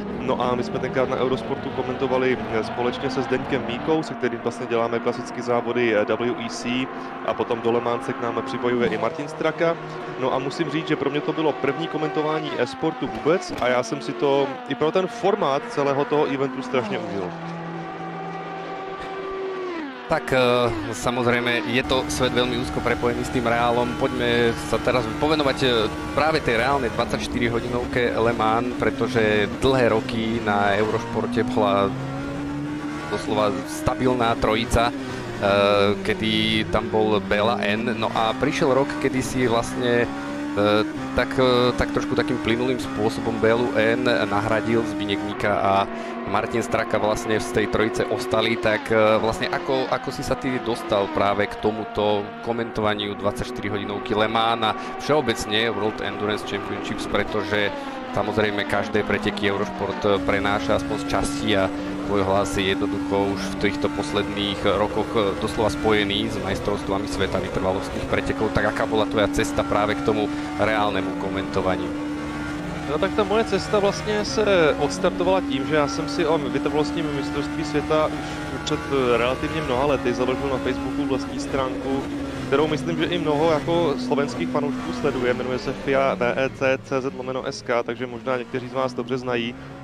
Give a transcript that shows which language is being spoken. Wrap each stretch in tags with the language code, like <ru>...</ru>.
<cs>No a my jsme tenkrát na Eurosportu komentovali společně se Zdeňkem Míkou, se kterým vlastně děláme klasicky závody WEC a potom do Le Mans se k nám připojuje i Martin Straka. No a musím říct, že pro mě to bylo první komentování e-sportu vůbec a já jsem si to i pro ten formát celého toho eventu strašně užil.</cs> <sk>Tak samozrejme, je to svet veľmi úzko prepojený s tým reálom. Poďme sa teraz povenovať práve tej reálnej 24-hodinovke Le Mans, pretože dlhé roky na Eurošporte bola doslova stabilná trojica, kedy tam bol Bela N. No a prišiel rok, kedy si vlastne tak trošku takým plynulým spôsobom Belu N nahradil Zbyněk Míka a Martin Straka vlastne z tej trojice ostali, tak vlastne ako si sa ty dostal práve k tomuto komentovaniu 24 hodinovky Le Mans a všeobecne World Endurance Championships, pretože samozrejme každé preteky Eurošport prenáša aspoň z časti a tvoj hlas je jednoducho už v týchto posledných rokoch doslova spojený s majstrovstvami sveta vytrvalostných pretekov, tak aká bola tvoja cesta práve k tomu reálnemu komentovaniu?</sk> <cs>No tak ta moje cesta vlastně se odstartovala tím, že já jsem si o vytrvalostním mistrovství světa už před relativně mnoha lety založil na Facebooku vlastní stránku, kterou myslím, že i mnoho jako slovenských fanoušků sleduje, jmenuje se FIA.vec.cz/sk, takže možná někteří z vás dobře znají.</cs>